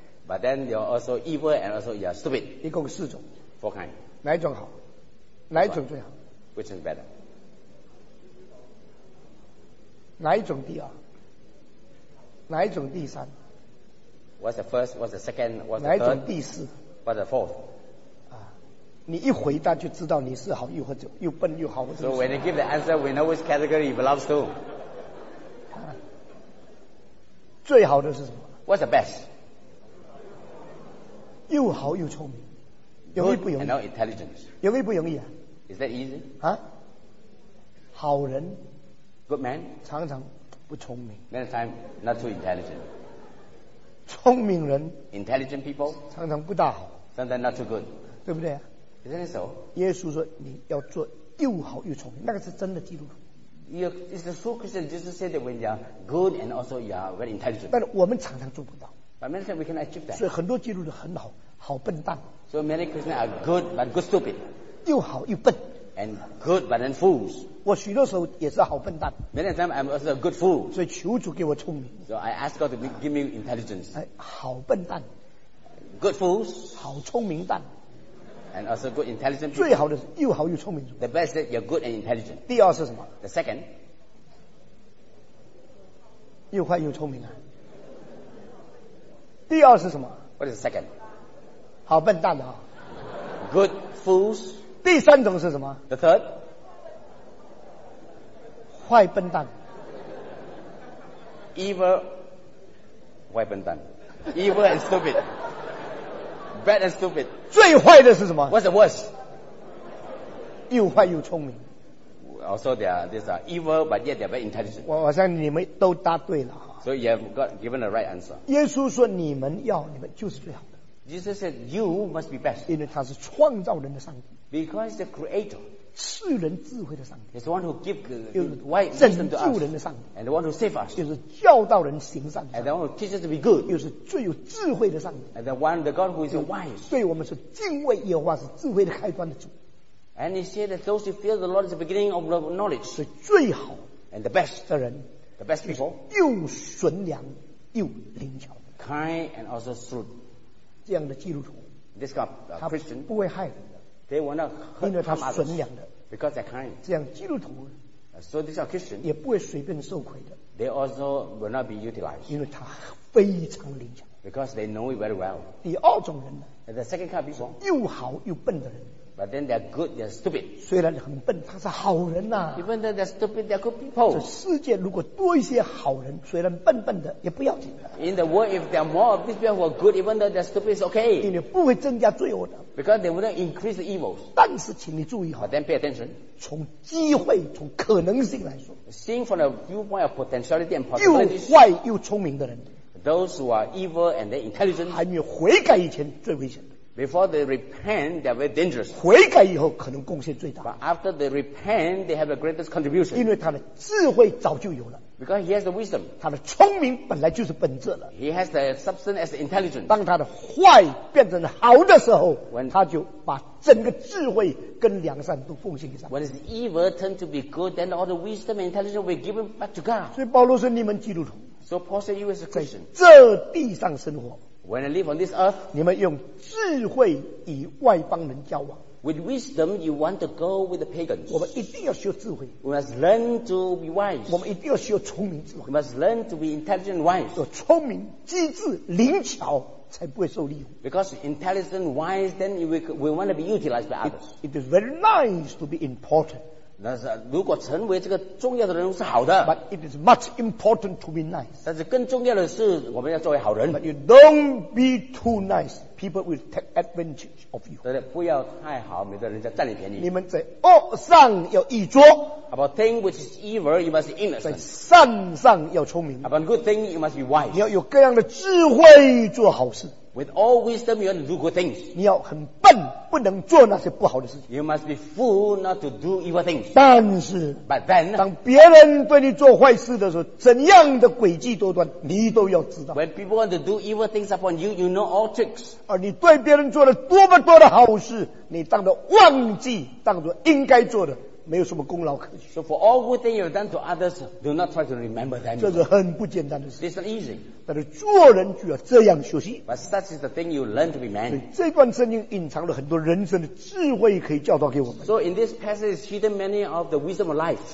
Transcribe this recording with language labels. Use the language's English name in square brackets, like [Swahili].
[English] But then you're also evil and also you're stupid. [Chinese] 一共四种。 [English] Four kind. [Chinese] 哪一种好？哪一种最好 [English] ？Which is better? [Chinese] 哪一种第二？哪一种第三 [English] ？What's the first? What's the second? What's the third? [Chinese] 哪一种第四 [English] But the fourth. [Chinese] 你一回答就知道你是好又或者又笨又好。 [English] So when you give the answer, we know which category you belong to. [Chinese] 最好的是什么？ [English] What's the best? [Chinese] 又好又聪明，容易不容易？ [English] And now intelligence. [Chinese] 容易不容易啊？ [English] Is that easy? [Chinese] 啊？好人。 [English] Good man. [Chinese] 常常不聪明。 [English] Many times not too intelligent. [Chinese] 聪明人。 [English] Intelligent people. [Chinese] 常常不大好。 [English] Sometimes not too good. [Chinese] 对不对啊？ [English] Isn't it so? [Chinese] 耶稣说你要做又好又聪明，那个是真的基督徒。 [English] It's the true Christian. Jesus said that when you are good and also you are very intelligent. [Chinese] 但我们常常做不到。 [English] But many times we can achieve that. [Chinese] 所以很多基督徒很好，好笨蛋。 [English] So many Christians are good but good stupid. [Chinese] 又好又笨。 [English] And good but then fools. [Chinese] 我许多时候也是好笨蛋。 [English] Many times I'm also a good fool. [Chinese] 所以求主给我聪明。 [English] So I ask God to give me intelligence. [Chinese] 好笨蛋。 [English] Good fools. [Chinese] 好聪明蛋。 [English] And also good intelligent people. [Chinese] 最好的是又好又聪明。 [English] The best is that you're good and intelligent. [Chinese] 第二是什么？ [English] The second. [Chinese] 又快又聪明啊。第二是什么？ [English] What is the second? [Chinese] 好笨蛋啊。 [English] Good fools. [Chinese] 第三种是什么？ [English] The third. [Chinese] 坏笨蛋。 [English] Evil. [Chinese] 坏笨蛋。 [English] Evil and stupid. Bad and stupid. [Chinese] 最坏的是什么？ [English] What's the worst? [Chinese] 又坏又聪明。 [English] Also they are, these are evil but yet they are very intelligent. [Chinese] 我相信你们都答对了。 [English] So you have got given the right answer. [Chinese] 耶稣说你们要，你们就是最好的。 [English] Jesus said you must be best. [Chinese] 因为他是创造人的上帝。 [English] Because he's the creator. [Chinese] 赐人智慧的上帝。 [English] He's the one who gives wisdom to us. [Chinese] 拯救人的上帝。 [English] And the one who saves us. [Chinese] 就是教导人行善。 [English] And the one who teaches us to be good. [Chinese] 又是最有智慧的上帝。 [English] And the one, the God who is wise. [Chinese] 对我们是敬畏耶和华是智慧的开端的主。 [English] And he said that those who fear the Lord is the beginning of the knowledge. [Chinese] 是最好。 [English] And the best. [Chinese] 的人。 [English] The best people. [Chinese] 又纯良又灵巧。 [English] Kind and also shrewd. [Chinese] 这样的基督徒。 [English] This kind of Christian. [Chinese] 不会害人。 [English] They will not hurt [Chinese] 因为他纯良的 [English] because they're kind. [Chinese] 这样基督徒 [English] so these are Christians [Chinese] 也不会随便受亏的 [English] they also will not be utilized [Chinese] 因为他非常灵巧 [English] because they know it very well [Chinese] 第二种人呢 [English] the second kind of people [Chinese] 又好又笨的人 [English] but then they're good they're stupid [Chinese] 虽然很笨他是好人啊 [English] even though they're stupid they're good people [Chinese] 这世界如果多一些好人虽然笨笨的也不要紧的 [English] in the world if there are more of these people who are good even though they're stupid it's okay [Chinese] 因为不会增加罪恶的 [English] Because they wouldn't increase the evils. [Chinese] 但是请你注意哈。 [English] But then pay attention. [Chinese] 从机会从可能性来说。 [English] Seeing from the viewpoint of potentiality and possibilities. [Chinese] 又坏又聪明的人。 [English] Those who are evil and they're intelligent. [Chinese] 还没有悔改以前最危险的。 [English] Before they repent, they're very dangerous. [Chinese] 悔改以后可能贡献最大。 [English] But after they repent, they have the greatest contribution. [Chinese] 因为他的智慧早就有了。 [English] Because he has the wisdom. [Chinese] 他的聪明本来就是本质了。 [English] He has the substance as the intelligence. [Chinese] 当他的坏变成好的时候 [English] when, [Chinese] 他就把整个智慧跟良善都奉献给上帝。 [English] When his evil turned to be good, then all the wisdom and intelligence will be given back to God. [Chinese] 所以保罗说你们基督徒。 [English] So Paul said you as a Christian. [Chinese] 这地上生活。 [English] When I live on this earth. [Chinese] 你们用智慧与外邦人交往。 [English] With wisdom, you want to go with the pagans. [Chinese] 我们一定要学智慧。 [English] We must learn to be wise. [Chinese] 我们一定要学聪明智慧。 [English] We must learn to be intelligent and wise. [Chinese] 有聪明、机智、灵巧，才不会受利用。 [English] Because intelligent, wise, then we want to be utilized by others. It is very nice to be important. [Chinese] 那是如果成为这个重要的人物是好的。 [English] But it is much important to be nice. [Chinese] 但是更重要的是我们要作为好人。 [English] But you don't be too nice. People will take advantage of you. [Chinese] 对对，不要太好，免得人家占你便宜。你们在恶上要益拙。 [English] About thing which is evil, you must be innocent. [Chinese] 在善上要聪明。 [English] About good thing, you must be wise. [Chinese] 你要有各样的智慧做好事。 [English] With all wisdom, you want to do good things. [Chinese] 你要很笨，不能做那些不好的事情。 [English] You must be fool not to do evil things. [Chinese] 但是 [English] But then, [Chinese] 当别人对你做坏事的时候，怎样的诡计多端，你都要知道。 [English] When people want to do evil things upon you, you know all tricks. [Chinese] 而你对别人做了多么多的好事，你当作忘记，当作应该做的，没有什么功劳可 [English] 言。So for all good things you've done to others, do not try to remember them. [Chinese] 这是很不简单的事。 [English] It's not easy. [Chinese] 但是做人就要这样学习。 [English] But such is the thing you learn to be man. [Chinese] 这段圣经隐藏了很多人生的智慧可以教导给我们。 [English] So in this passage is hidden many of the wisdom of life.